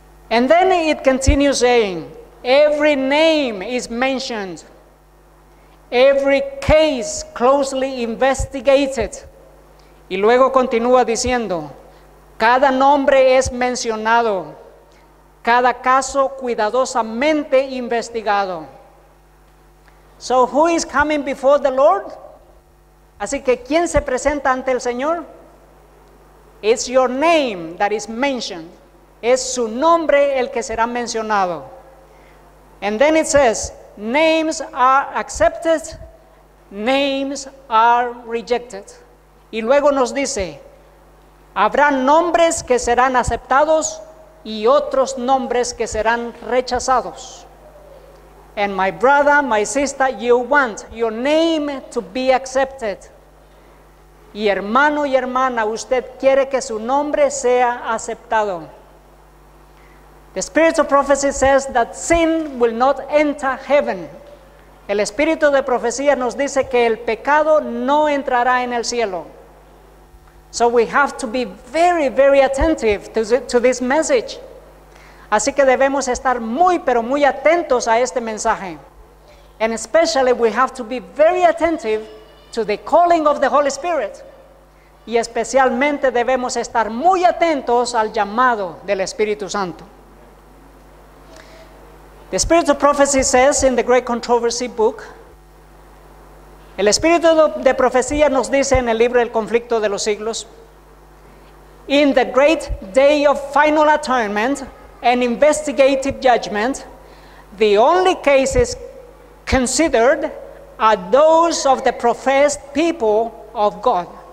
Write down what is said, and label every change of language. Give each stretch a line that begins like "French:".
English: And then it continues saying, every name is mentioned, every case closely investigated.
Spanish: Y luego continúa diciendo, cada nombre es mencionado, cada caso cuidadosamente investigado.
English: So who is coming before the Lord?
Spanish: Así que, ¿quién se presenta ante el Señor?
English: It's your name that is mentioned.
Spanish: Es su nombre el que será mencionado.
English: And then it says, names are accepted, names are rejected.
Spanish: Y luego nos dice, habrá nombres que serán aceptados y otros nombres que serán rechazados.
English: And my brother, my sister, you want your name to be accepted.
Spanish: Y hermano y hermana, usted quiere que su nombre sea aceptado.
English: The spirit of prophecy says that sin will not enter heaven.
Spanish: El espíritu de profecía nos dice que el pecado no entrará en el cielo.
English: So we have to be very, very attentive to this message.
Spanish: Así que debemos estar muy, pero muy atentos a este mensaje.
English: And especially we have to be very attentive to the calling of the Holy Spirit.
Spanish: Y especialmente debemos estar muy atentos al llamado del Espíritu Santo.
English: The Spirit of Prophecy says in the Great Controversy book,
Spanish: el Espíritu de Profecía nos dice en el libro El Conflicto de los Siglos,
English: in the great day of final atonement and investigative judgment, the only cases considered are those of the professed people of God.